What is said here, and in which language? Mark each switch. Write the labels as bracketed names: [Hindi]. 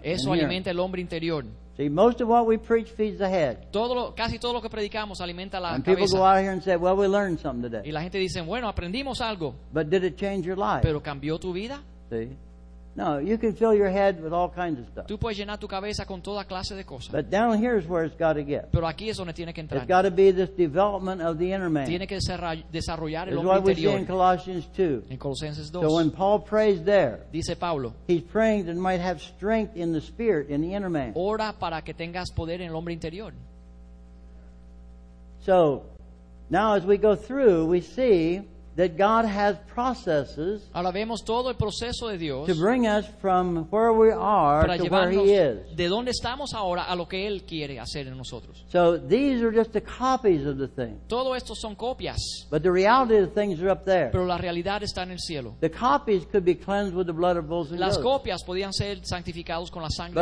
[Spanish] Eso alimenta el hombre interior. [English] See, most of what we preach feeds the head. [Spanish] Casi todo lo que predicamos alimenta la cabeza. [English] People go out here and say, well, we learned something today. [Spanish] Y la gente dice, bueno, aprendimos algo. [English] But did it change your life? [Spanish] Pero cambió tu vida. [English] See? No, you can fill your head with all kinds of stuff. [Spanish] Tú puedes llenar tu cabeza con toda clase de cosas. [English] But down here is where it's got to get. [Spanish] Pero aquí es donde tiene que entrar. [English] It's got to be this development of the inner man. [Spanish] Tiene que desarrollar el [English] it's [Spanish] hombre interior. [English] It's what we see in Colossians 2. [Spanish] En Colosenses 2. [English] So when Paul prays there, [Spanish] dice Pablo, [English] he's praying that he might have strength in the spirit, in the inner man. [Spanish] Ora para que tengas poder en el hombre interior. [English] So, now as we go through, we see that God has processes. [Spanish] Ahora vemos todo el proceso de Dios [English] to bring us from where we are to where he is. [Spanish] De donde estamos ahora a lo que él quiere hacer en nosotros. [English] So these are just the copies of the thing. [Spanish] Todo esto son copias. [English] But the reality of the things are up there. [Spanish] Pero la realidad está en el cielo. [English] The copies could be cleansed with the blood of bulls and goats. [Spanish] Las copias podían ser santificados con la sangre